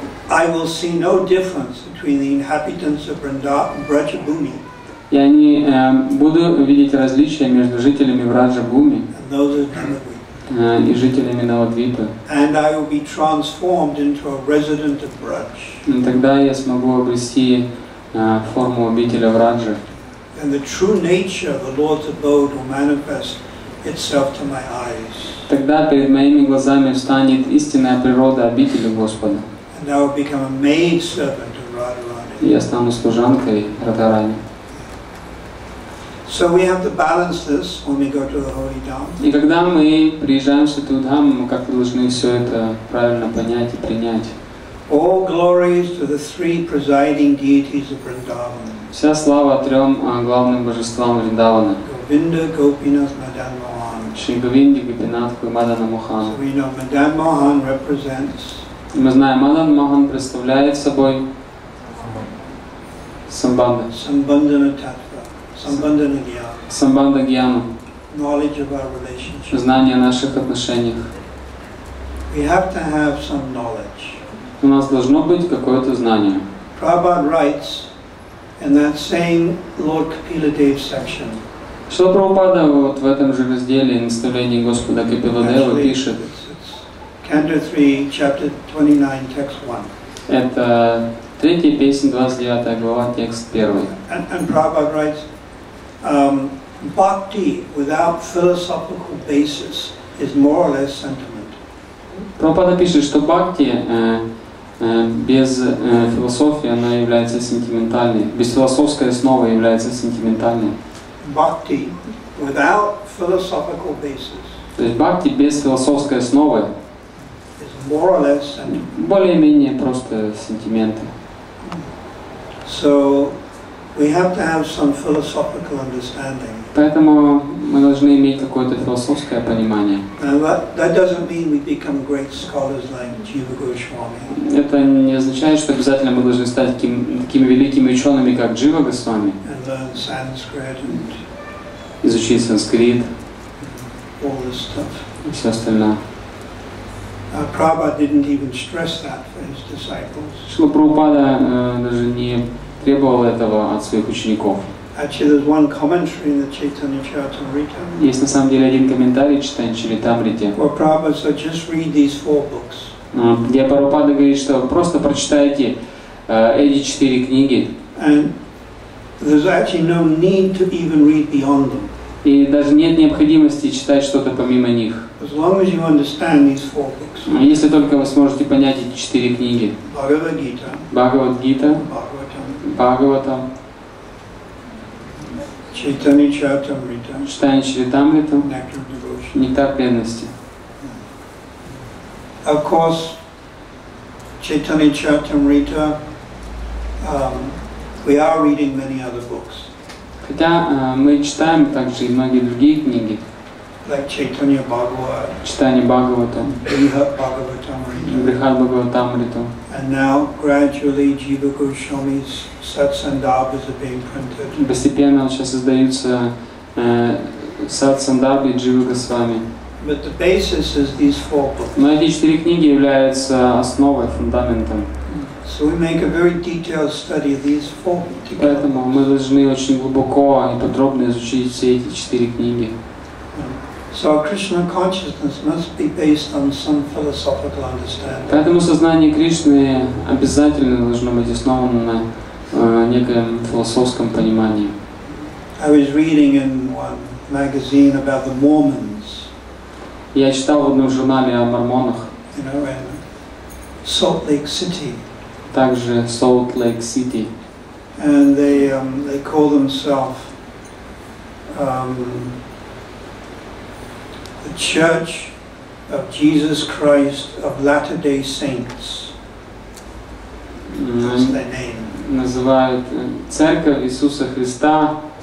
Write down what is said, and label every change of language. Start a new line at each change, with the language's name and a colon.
English: I will see no difference between the inhabitants of Vrajabhumi.
Russian: Я не буду видеть различия между жителями Враджабуми и жителями Навадвипы.
English: And I will be transformed into a resident of Vraj.
Russian: Тогда я смогу обрести форму обителя Враджа.
English: And the true nature of the Lord's abode will manifest itself to my eyes.
Russian: Тогда перед моими глазами встанет истинная природа обители Господа.
English: And I will become a maid servant of Radharani.
Russian: Я стану служанкой Радхарани.
English: So we have to balance this when we go to the holy dham.
Russian: И когда мы приезжаем в святую дхаму, мы как-то должны все это правильно понять и принять.
English: All glories to the three presiding deities of Vrindavan.
Russian: Вся слава трем главным божествам Вриндавана.
English: Govinda, Gopinath, Madan Mohan.
Russian: Шри Говинди, Гопинат, Мадана Мохан.
English: So we know Madan Mohan represents.
Russian: Мы знаем, Мадан Мохан представляет собой самбанда. Самбандана Татва. Самбандана Гьяна. Самбанда Гьяна.
English: Knowledge of our relationship.
Russian: Знание о наших отношениях.
English: We have to have some knowledge.
Russian: У нас должно быть какое-то знание.
English: Prabhupada writes in that same Lord Kapiladev section.
Russian: Что Прабхупада вот в этом же разделе наставления Господа Капиладева пишет?
English: Canto 3, chapter 29, text 1.
Russian: Это третья песня, 29 глава, текст 1.
English: And Prabhupada writes, bhakti without philosophical basis is more or less sentiment.
Russian: Прабхупада пишет, что бхакти без философии она является сентиментальной, без философской основы является сентиментальной.
English: Bhakti without philosophical basis.
Russian: То есть бхакти без философской основы
English: is more or less sentiment.
Russian: Более-менее просто сентименты.
English: So we have to have some philosophical understanding.
Russian: Поэтому мы должны иметь какое-то философское понимание.
English: That doesn't mean we become great scholars like Jiva Goswami.
Russian: Это не означает, что обязательно мы должны стать такими великими учеными, как Джива Госвами.
English: And learn Sanskrit and
Russian: изучить санскрит.
English: All this stuff.
Russian: И все остальное.
English: Prabhupada didn't even stress that for his disciples.
Russian: Шрила Прабхупада даже не требовал этого от своих учеников.
English: Actually, there's one commentary in the Chaitanya Charitamrita.
Russian: Есть на самом деле один комментарий в Чайтанья Чаритамрите.
English: Where Prabhupada said, just read these four books.
Russian: Где Прабхупада говорит, что просто прочитайте эти четыре книги.
English: And there's actually no need to even read beyond them.
Russian: И даже нет необходимости читать что-то помимо них.
English: As long as you understand these four books.
Russian: Если только вы сможете понять эти четыре книги. Бхагавад-гита. Бхагаватам. Чайтанья Чаритамрита. Нектар преданности.
English: Of course, Чайтанья Чаритамрита, we are reading many other books.
Russian: Хотя мы читаем также и многие другие книги.
English: Like Чайтанья Бхагавата.
Russian: Чайтанья Бхагавата. Брихат Бхагаватамрита.
English: And now, gradually, Jiva Goswami's Satsandhabas are being printed.
Russian: Постепенно сейчас издаются Satsandhabi Jiva Goswami.
English: But the basis is these four books.
Russian: Но эти четыре книги являются основой, фундаментом.
English: So we make a very detailed study of these four books.
Russian: Поэтому мы должны очень глубоко и подробно изучить все эти четыре книги.
English: So our Krishna consciousness must be based on some philosophical understanding.
Russian: Поэтому сознание Кришны обязательно должно быть основано на неком философском понимании.
English: I was reading in one magazine about the Mormons.
Russian: Я читал в одном журнале о мормонах.
English: You know, in Salt Lake City.
Russian: Также Salt Lake City.
English: And they call themselves the Church of Jesus Christ of Latter-day Saints. That's their name.
Russian: Называют Церковь Иисуса Христа